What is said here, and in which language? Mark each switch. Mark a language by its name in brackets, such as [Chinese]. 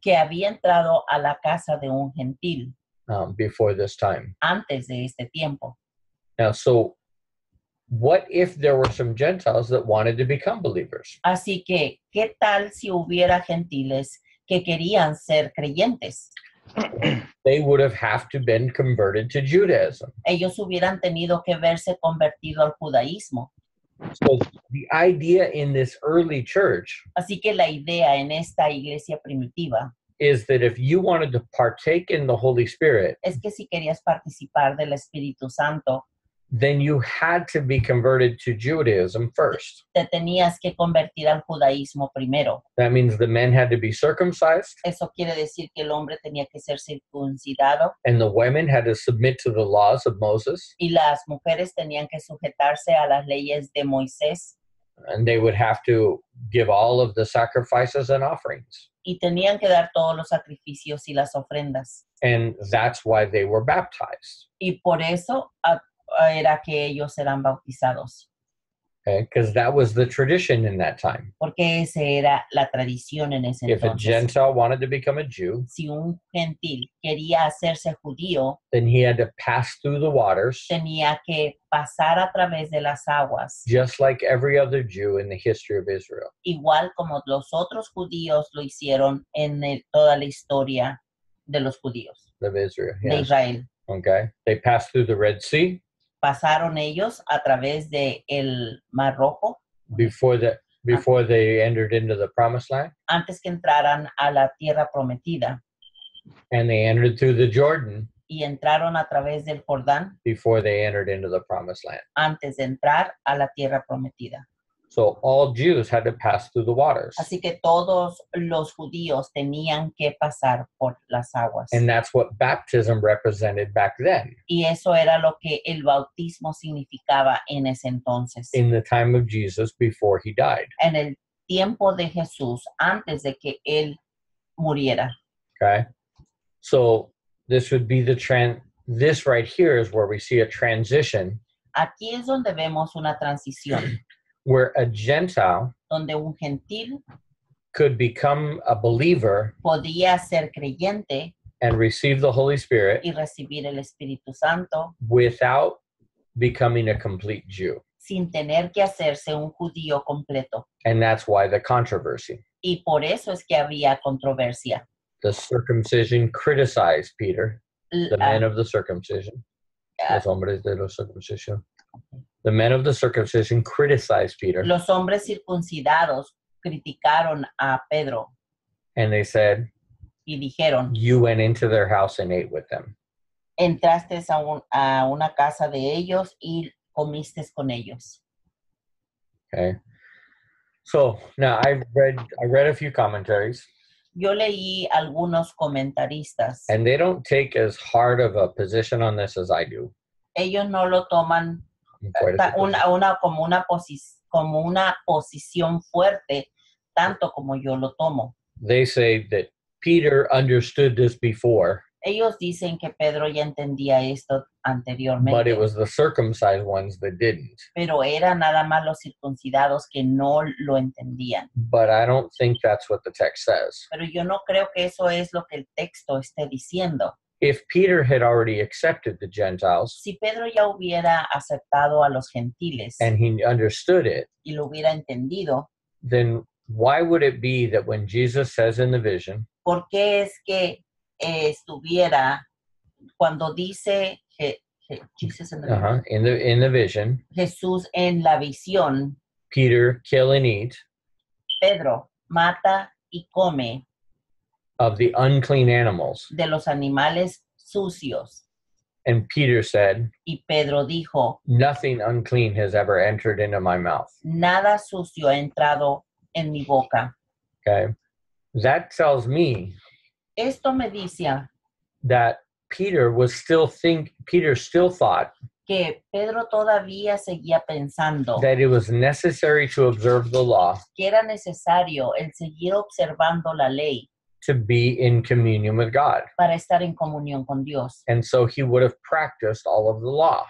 [Spanish] Que había entrado a la casa de un gentil. [English] Before this time. [Spanish] Antes de este tiempo. [English] Now, so what if there were some Gentiles that wanted to become believers? [Spanish] Así que, ¿qué tal si hubiera gentiles que querían ser creyentes? [English] They would have to been converted to Judaism. [Spanish] Ellos hubieran tenido que verse convertido al judaísmo. [English] So the idea in this early church. [Spanish] Así que la idea en esta iglesia primitiva. [English] Is that if you wanted to partake in the Holy Spirit. [Spanish] Es que si querías participar del Espíritu Santo. [English] then you had to be converted to Judaism first. [Spanish] Te tenías que convertir al judaísmo primero. [English] That means the men had to be circumcised. [Spanish] Eso quiere decir que el hombre tenía que ser circuncidado. [English] And the women had to submit to the laws of Moses. [Spanish] Y las mujeres tenían que sujetarse a las leyes de Moisés. [English] And they would have to give all of the sacrifices and offerings. [Spanish] Y tenían que dar todos los sacrificios y las ofrendas. [English] And that's why they were baptized. [Spanish] Y por eso era que ellos eran bautizados. [English] Okay, because that was the tradition in that time. [Spanish] Porque esa era la tradición en ese entonces. [English] If a Gentile wanted to become a Jew, [Spanish] si un gentil quería hacerse judío, [English] then he had to pass through the waters, [Spanish] tenía que pasar a través de las aguas, [English] just like every other Jew in the history of Israel. [Spanish] Igual como los otros judíos lo hicieron en toda la historia de los judíos. [English] Of Israel, yes. [Spanish] De Israel. [English] Okay, they passed through the Red Sea. [Spanish] Pasaron ellos a través de el Mar Rojo. [English] Before they entered into the Promised Land. [Spanish] Antes que entraran a la Tierra Prometida. [English] And they entered through the Jordan. [Spanish] Y entraron a través del Jordán. [English] Before they entered into the Promised Land. [Spanish] Antes de entrar a la Tierra Prometida. [English] So all Jews had to pass through the waters. [Spanish] Así que todos los judíos tenían que pasar por las aguas. [English] And that's what baptism represented back then. [Spanish] Y eso era lo que el bautismo significaba en ese entonces. [English] In the time of Jesus before he died. [Spanish] En el tiempo de Jesús antes de que él muriera. [English] Okay. So this would be the this right here is where we see a transition. [Spanish] Aquí es donde vemos una transición. [English] Where a Gentile, [Spanish] donde un gentil, [English] could become a believer, [Spanish] podía ser creyente, [English] and receive the Holy Spirit, [Spanish] y recibir el Espíritu Santo, [English] without becoming a complete Jew, [Spanish] sin tener que hacerse un judío completo. [English] And that's why the controversy. [Spanish] Y por eso es que había controversia. [English] The circumcision criticized Peter, the men of the circumcision, [Spanish] los hombres de la circuncisión. [English] The men of the circumcision criticized Peter. [Spanish] Los hombres circuncidados criticaron a Pedro. [English] And they said, [Spanish] y dijeron, [English] you went into their house and ate with them. [Spanish] Entraste a una casa de ellos y comiste con ellos. [English] Okay. So, now I read a few commentaries. [Spanish] Yo leí algunos comentaristas. [English] And they don't take as hard of a position on this as I do. [Spanish] Ellos no lo toman como una posición fuerte, tanto como yo lo tomo. [English] They say that Peter understood this before. [Spanish] Ellos dicen que Pedro ya entendía esto anteriormente. [English] But it was the circumcised ones that didn't. [Spanish] Pero era nada más los circuncidados que no lo entendían. [English] But I don't think that's what the text says. [Spanish] Pero yo no creo que eso es lo que el texto esté diciendo. [English] If Peter had already accepted the Gentiles, [Spanish] si Pedro ya hubiera aceptado a los gentiles, [English] and he understood it, [Spanish] y lo hubiera entendido, [English] then why would it be that when Jesus says in the vision, [Spanish] ¿por qué es que estuviera cuando dice Jesus [English] in the, in the vision, [Spanish] Jesús en la visión, [English] Peter, kill and eat, [Spanish] Pedro, mata y come, [English] of the unclean animals. [Spanish] De los animales sucios. [English] And Peter said, [Spanish] y Pedro dijo, [English] nothing unclean has ever entered into my mouth. [Spanish] Nada sucio ha entrado en mi boca. [English] Okay. That tells me, [Spanish] esto me dice, [English] that Peter still thought, [Spanish] que Pedro todavía seguía pensando, [English] that it was necessary to observe the law. [Spanish] Que era necesario el seguir observando la ley. [English] To be in communion with God. [Spanish] Para estar en comunión con Dios. [English] And so he would have practiced all of the law.